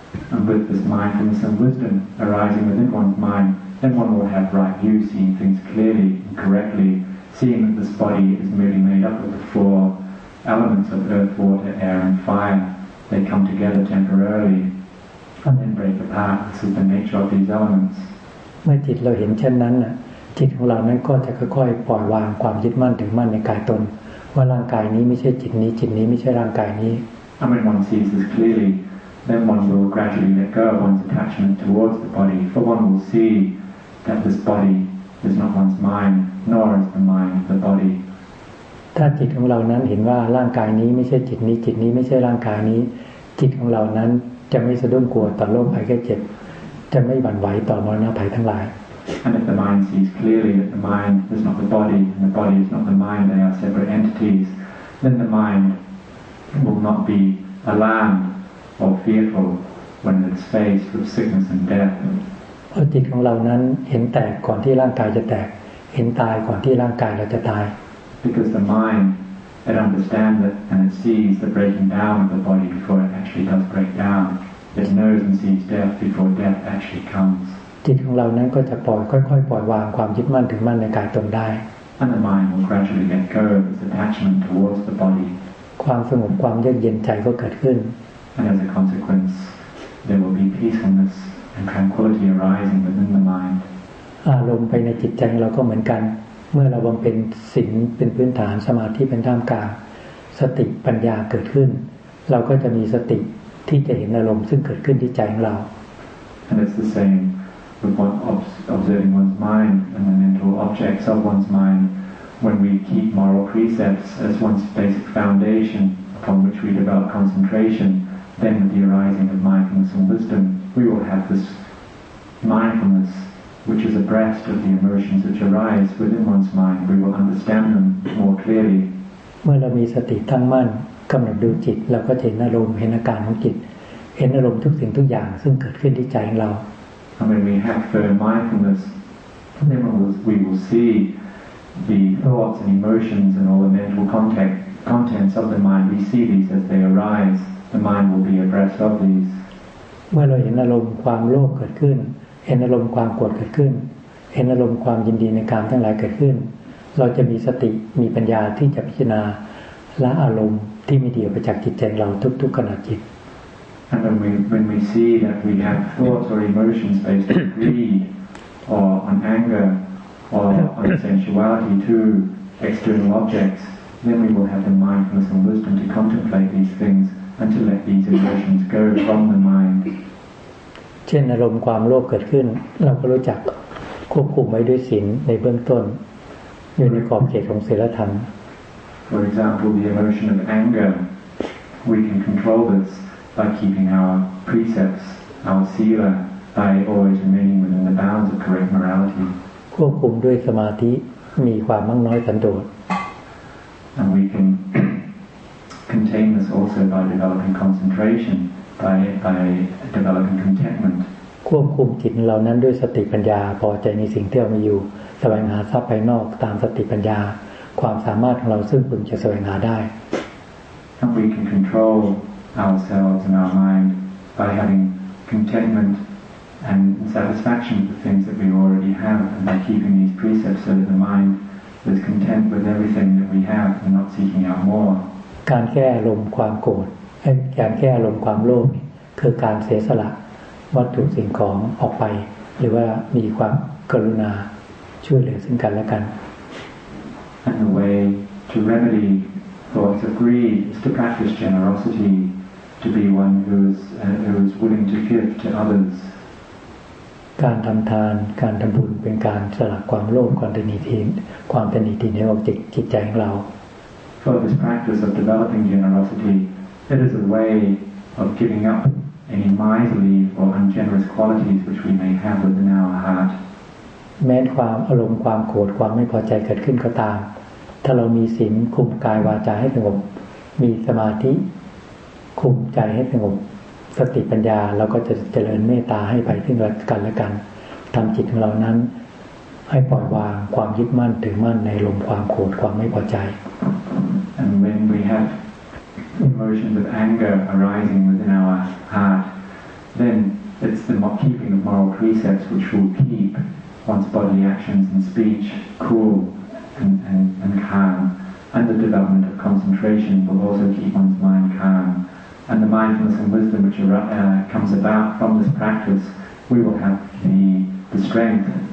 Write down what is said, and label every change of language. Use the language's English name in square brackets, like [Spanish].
[English] And with this mindfulness and wisdom arising within one's mind then one will have right view seeing things clearly and correctly seeing that this body is merely made up of the four elements of earth, water, air and fire they come together temporarily and then break apart this is the nature of these elements [Thai] เมื่อจิตเราเห็นเช่นนั้นจิตของเรานั้นก็จะค่อยๆปล่อยวางความยึดมั่นถือมั่นในกายตนว่าร่างกายนี้ไม่ใช่จิตนี้จิตนี้ไม่ใช่ร่างกายนี้ [English] And when one sees this clearly then one will gradually let go of one's attachment towards the body for one will see that this body is not one's mind nor is the mind the body [Thai] ถ้าจิตของเรานั้นเห็นว่าร่างกายนี้ไม่ใช่จิตนี้จิตนี้ไม่ใช่ร่างกายนี้จิตของเรานั้นจะไม่สะดุ้งกลัวต่อโรคภัยไข้เจ็บจะไม่หวั่นไหวต่อมรณภัยทั้งหลาย [English] And if the mind sees clearly that the mind is not the body and the body is not the mind, they are separate entities, then the mind will not be alarmed or fearful when it's faced with sickness and death. [Thai] เพราะจิตของเรานั้นเห็นแตกก่อนที่ร่างกายจะแตกเห็นตายก่อนที่ร่างกายเราจะตาย [English] Because the mind, it understands it and it sees the breaking down of the body before it actually does break down. It knows and sees death before death actually comes. [Thai] จิตของเรานั้นก็จะปล่อยค่อยๆปล่อยวางความยึดมั่นถือมั่นในกายตนได้ [English] And the mind will gradually let go of its attachment towards the body [Thai] ความสงบความเยือกเย็นใจก็เกิดขึ้น [English] And as a consequence there will be peacefulness and tranquility arising within the mind [Thai] อารมณ์ภายในจิตใจเราก็เหมือนกันเมื่อเราบำเพ็ญศีลเป็นพื้นฐานสมาธิเป็นท่ามกลางสติปัญญาเกิดขึ้นเราก็จะมีสติที่จะเห็นอารมณ์ซึ่งเกิดขึ้นที่ใจของเรา [English] And it's the sameOf observing one's mind and the mental objects of one's mind, when we keep moral precepts as one's basic foundation upon which we develop concentration, then with the arising of mindfulness and wisdom, we will have this mindfulness which is abreast of the emotions which arise within one's mind. We will understand them more clearly. [Thai] เมื่อเรามีสติตั้งมั่นกำหนดดูจิตเราก็เห็นอารมณ์เห็นอาการของจิตเห็นอารมณ์ทุกสิ่งทุกอย่างซึ่งเกิดขึ้นที่ใจเรา [English] And when we have firm mindfulness, then we will see the thoughts and emotions and all the mental contents of the mind. We see these as they arise. The mind will be abreast of these. [Thai] เมื่อเราเห็นอารมณ์ความโลภเกิดขึ้นเห็นอารมณ์ความโกรธเกิดขึ้นเห็นอารมณ์ความยินดีในกามทั้งหลายเกิดขึ้นเราจะมีสติมีปัญญาที่จะพิจารณาละอารมณ์ที่ไม่ดีออกจากจิตใจเราทุกๆขณะจิต [English] And when we see that we have thoughts or emotions based on greed or on anger or on sensuality to external objects, then we will have the mindfulness and wisdom to contemplate these things and to let these emotions go from the mind. [Thai] เช่นอารมณ์ความโลภเกิดขึ้นเราก็รู้จักควบคุมไว้ด้วยศีลในเบื้องต้นอยู่ในขอบเขตของศีลธรรม [English] For example, the emotion of anger, we can control this. By keeping our precepts, our sila, by always remaining within the bounds of correct morality. [Thai] ควบคุมด้วยสมาธิมีความมักน้อยสันโดษ [English] And we can contain this also by developing concentration, by developing contentment. [Thai] ควบคุมจิตเรานั้นด้วยสติปัญญาพอใจในสิ่งที่เรามีอยู่แสวงหาทรัพย์ภายนอกตามสติปัญญาความสามารถของเราซึ่งพึงจะแสวงหาได้ [English] And we can controlOurselves and our mind by having contentment and satisfaction with the things that we already have, and by keeping these precepts so that the mind is content with everything that we have and not seeking out more. [Thai] การแก้อารมณ์ความโกรธการแก้อารมณ์ความโลภคือการเสียสละวัตถุสิ่งของออกไปหรือว่ามีความกรุณาช่วยเหลือซึ่งกันและกัน [English] And the way to remedy thoughts of greed is to practice generosity, to be one who is willing to give to others. [Thai] การทำทานการทำบุญเป็นการสละความโลภความตนีทินให้ออกจากจิตใจของเรา [English] For this practice of developing generosity, it is a way of giving up any miserly or ungenerous qualities which we may have within our heart. [Thai] แม้ความอารมณ์ความโกรธความไม่พอใจเกิดขึ้นก็ตามถ้าเรามีศีลคุมกายวาจาให้สงบมีสมาธิคุมใจให้สงบสติปัญญาเราก็จะเจริญเมตตาให้ไปซึ่งกันและกันทำจิตของเรานั้นให้ปล่อยวางความยึดมั่นถือมั่นในอารมณ์ความโกรธความไม่พอใจ [English] And when we have emotions of anger arising within our heart then it's the keeping of moral precepts which will keepone's body actions and speech cool and calm and the development of concentration will also keep one's mind calm and the mindfulness and wisdom which comes about from this practice we will have the strength